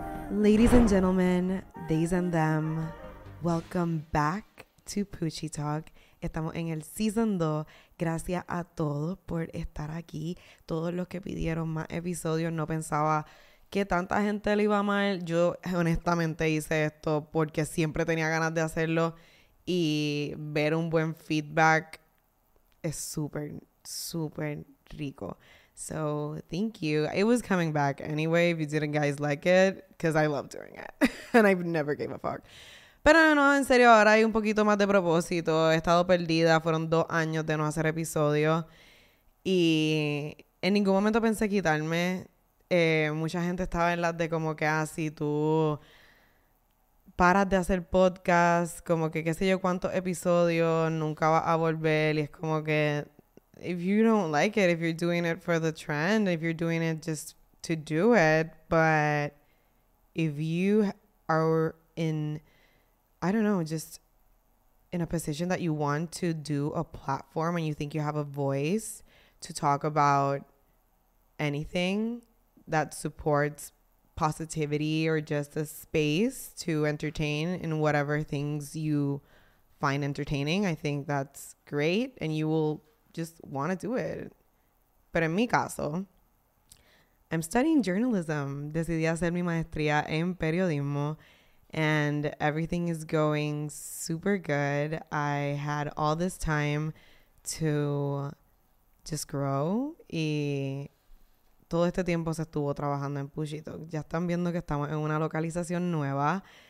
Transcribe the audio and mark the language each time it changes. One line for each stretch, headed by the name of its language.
English: Ladies and gentlemen, theys and them, welcome back to Poochie Talk.
Spanish: Estamos en el season 2. Gracias a todos por estar aquí. Todos los que pidieron más episodios, no pensaba que tanta gente le iba mal. Yo honestamente hice esto porque siempre tenía ganas de hacerlo y ver un buen feedback es súper, súper rico.
English: So, thank you. It was coming back anyway if you didn't guys like it, because I love doing it. And I never gave a fuck.
Spanish: Pero no, en serio, ahora hay un poquito más de propósito. He estado perdida. Fueron 2 años de no hacer episodio. Y en ningún momento pensé quitarme. Mucha gente estaba en las de como que,
English: ah, si tú paras de hacer podcast, como que qué sé yo cuántos episodios, nunca vas a volver. Y es como que, if you don't like it, if you're doing it for the trend, if you're doing it just to do it, but if you are in, I don't know, just in a position that you want to do a platform and you think you have a voice to talk about anything that supports positivity or just a space to entertain in whatever things you find entertaining, I think that's great and you will just want to do it. But in
Spanish: mi caso,
English: I'm studying journalism.
Spanish: Decidí hacer mi maestría en periodismo.
English: And everything is going super good. I had all this time to just grow.
Spanish: Y todo este tiempo se estuvo trabajando en Puchito. Ya están viendo que estamos en una localización nueva.